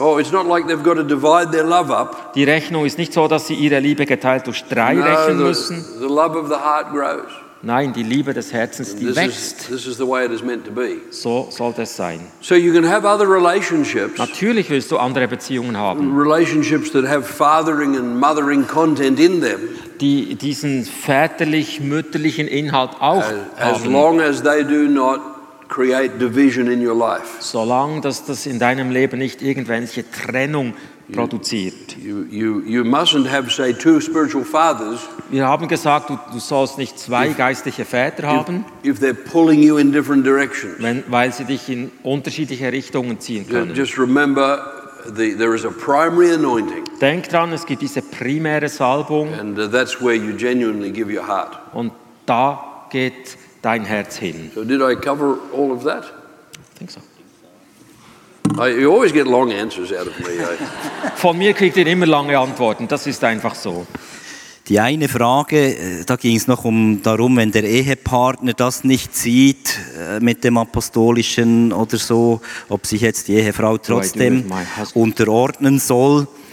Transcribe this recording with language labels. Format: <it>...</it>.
<en>Oh, it's not like they've got to divide their love up.</en> <de>Die Rechnung ist nicht so, dass sie ihre Liebe geteilt durch drei rechnen müssen.</de> <en>The love of the heart grows.</en> <de>Nein, die Liebe des Herzens, die wächst.</de> <en>This is the way it is meant to be.</en> <de>So sollte es sein.</de> <en>So you can have other relationships.</en> <de>Natürlich willst du andere Beziehungen haben.</de> <en>Relationships that have fathering and mothering content in them.</en> <de>Die diesen väterlich-mütterlichen Inhalt auch haben.</de> <en>As long as they do not create division in your life.</en> <de>Solange dass das in deinem Leben nicht irgendwelche Trennung produziert.</de> <en>You mustn't have, say, two spiritual fathers.</en> <de>Wir haben gesagt, du sollst nicht zwei geistliche Väter haben,</de> <en>if they're pulling you in different directions.</en> <de>Weil sie dich in unterschiedliche Richtungen ziehen können.</de> <en>Just remember, there is a primary anointing.</en> <de>Denk dran, es gibt diese primäre Salbung.</de> <en>And that's where you genuinely give your heart.</en> <de>Und da geht dein Herz hin.</de> <en>So did I cover all of that? I think so. You always get long answers out of me.</en> <de>Von mir kriegt ihr immer lange Antworten, das ist einfach so. Die eine Frage, da ging es noch um darum, wenn der Ehepartner das nicht sieht mit dem Apostolischen oder so, ob sich jetzt die Ehefrau trotzdem unterordnen soll.</de>